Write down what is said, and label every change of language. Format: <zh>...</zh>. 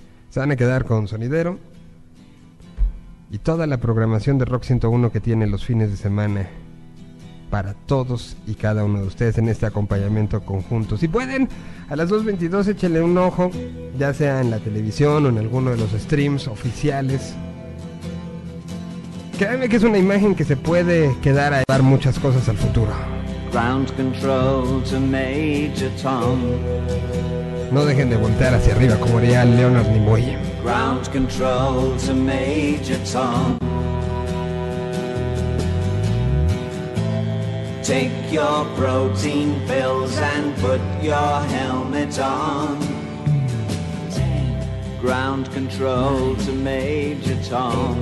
<es>Se van a quedar con Sonidero y toda la programación de Rock 101 que tiene los fines de semana para todos y cada uno de ustedes en este acompañamiento conjunto. Si pueden, a las 2:22 échenle un ojo, ya sea en la televisión o en alguno de los streams oficiales. Créanme que es una imagen que se puede quedar a dar muchas cosas al futuro.</es> <en>Ground control to Major Tom.</en> <es>No dejen de voltear hacia arriba como haría Leonard Nimoy.</es> <en>Ground control to Major Tom. Take your protein pills and put your helmet on. Ground control to Major Tom.</en>